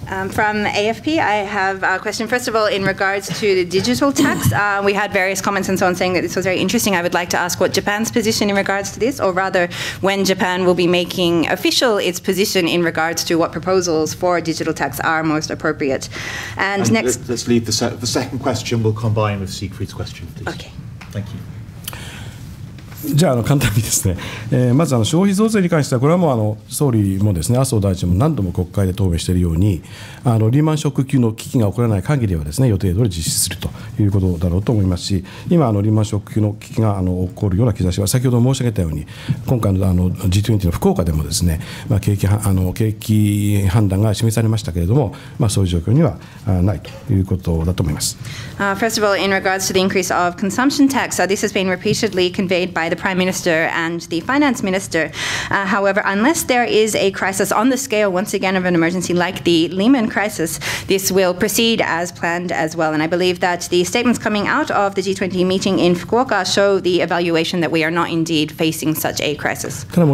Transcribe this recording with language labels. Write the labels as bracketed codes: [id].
[en] From AFP, I have a question. First of all, in regards to the digital tax, we had various comments and so on saying that this was very interesting. I would like to ask what Japan's position in regards to this, or rather, when Japan will be making official its position in regards to what proposals for digital tax are most appropriate. And next... Let's leave the second question. We'll combine with Siegfried's question, please. Okay. Thank you. [ja] じゃあ簡単にですね、まず消費増税に関してはこれはもう総理もですね、麻生大臣も何度も国会で答弁しているように、リーマンショック級の危機が起こらない限りはですね、予定通り実施するということだろうと思いますし、今リーマンショック級の危機が起こるような兆しは先ほど申し上げたように今回の G20 の福岡でもですね、まあ、景気判断が示されましたけれども、まあ、そういう状況にはないということだと思います。 [en] First of all, in regards to the increase of consumption tax, this has been repeatedly conveyed by the Prime Minister and the Finance Minister. However, unless there is a crisis on the scale, once again, of an emergency like the Lehman crisis, this will proceed as planned as well. And I believe that the statements coming out of the G20 meeting in Fukuoka show the evaluation that we are not indeed facing such a crisis.